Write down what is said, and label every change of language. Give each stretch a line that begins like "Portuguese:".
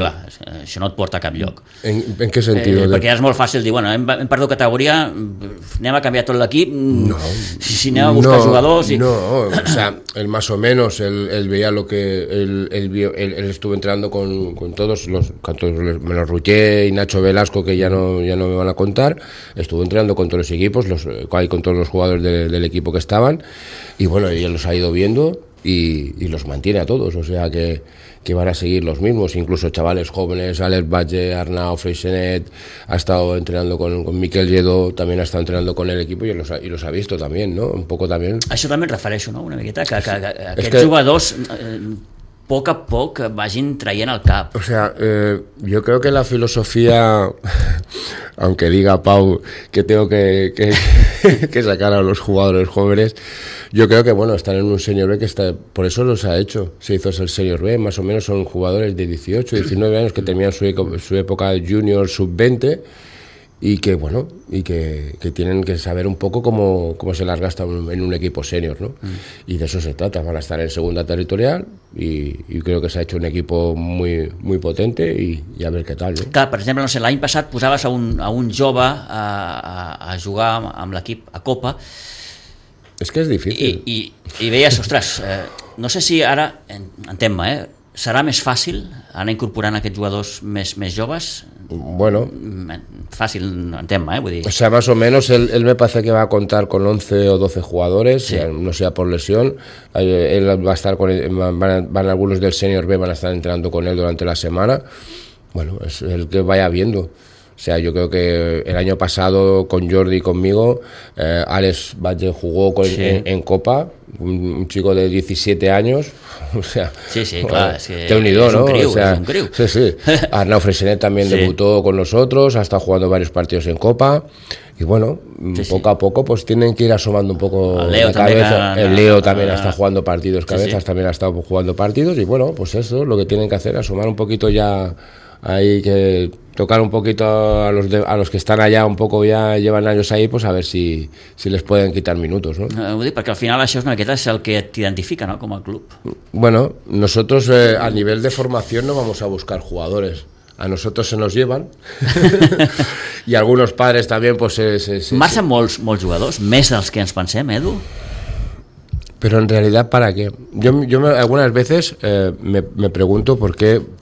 Catalan: Clar, això no et porta a cap lloc. En què sentit? Perquè és molt fàcil dir, bueno, hem perdut categoria, anem a canviar tot l'equip, no, si anem a buscar jugadors...
Spanish: No, o sea, el más o menos, el veía lo que... Él estuvo entrenando con todos los... menos Ruché y Nacho Velasco, que ya no me van a contar, estuvo entrenando con todos los equipos, con todos los jugadores del equipo que estaban, y bueno, ya los ha ido viendo y los mantiene a todos, o sea que van a seguir los mismos, incluso chavales jóvenes, Alex Valle, Arnau, Freixenet, ha estado entrenando con Miquel Lledó, también ha estado entrenando con el equipo y los ha visto también, ¿no? Un poco también.
Catalan: Això també refereixo, no? Una miqueta, que aquests jugadors poc a poc vagin traient el cap.
Spanish: O sea, yo creo que la filosofía, aunque diga Pau que tengo que sacar a los jugadores jóvenes, yo creo que bueno, están en un senior B que está, por eso los ha hecho, se hizo el senior B, más o menos son jugadores de 18, 19 años que terminan su época junior, sub-20, y que bueno, y que tienen que saber un poco cómo se las gasta en un equipo senior, ¿no? Y de eso se trata, van a estar en segunda territorial y creo que se ha hecho un equipo muy muy potente y a ver qué tal, ¿no?
Catalan: Clar, per exemple, no sé, l'any passat posaves a un jove a jugar amb l'equip a Copa. És que és difícil. I veies, ostres, no sé si ara, entén-me, serà més fàcil anar incorporant aquests jugadors més joves? Bueno. Fàcil, entén-me, vull dir...
Spanish: O sea, más o menos, él me parece que va a contar con 11 o 12 jugadores, sí. No sea por lesión. Él va a estar con... Van algunos del senior B, van a estar entrenando con él durante la semana. Bueno, es el que vaya viendo. O sea, yo creo que el año pasado con Jordi y conmigo, Alex Valle jugó en Copa, un chico de 17 años. O sea, sí, sí, bueno, claro. Es que te unido, ¿no? Un crío, o sea, es un crío. Sí, sí. Arnau Freixenet también sí. Debutó con nosotros, ha estado jugando varios partidos en Copa. Y bueno, sí, poco sí. A poco, pues tienen que ir asomando un poco la cabeza. El Leo también está jugando partidos, sí, cabezas sí. También ha estado jugando partidos. Y bueno, pues eso, lo que tienen que hacer, asomar un poquito ya. Hay que tocar un poquito a los que están allá un poco, ya llevan años ahí, pues a ver si les pueden quitar minutos, ¿no?
Catalan: Vull dir, perquè al final això és una miqueta el que t'identifica, ¿no?, com a club.
Spanish: Bueno, nosotros a nivel de formación no vamos a buscar jugadores. A nosotros se nos llevan. Y algunos padres también, pues...
Catalan: Marxen molts jugadors, més dels que ens pensem, Edu.
Spanish: Pero en realidad, ¿para qué? Yo algunas veces me pregunto por qué...